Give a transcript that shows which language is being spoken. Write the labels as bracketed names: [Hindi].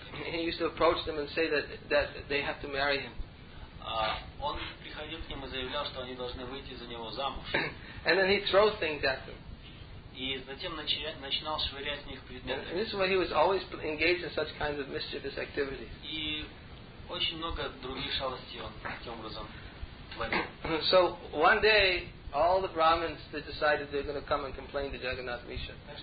[English] He used to approach them and say that they have to marry him. [Russian] Он приходил к ним и заявлял, что они должны выйти за него замуж. [English] And then he'd throw things at them. [Russian] И затем начинал швырять в них предметы. [English] And this is why he was always engaged in such kinds of mischievous activities. [Russian] И очень много других шалостей он таким образом [English] So one day, all the Brahmins they decided they're going to come and complain to Jagannath Misha.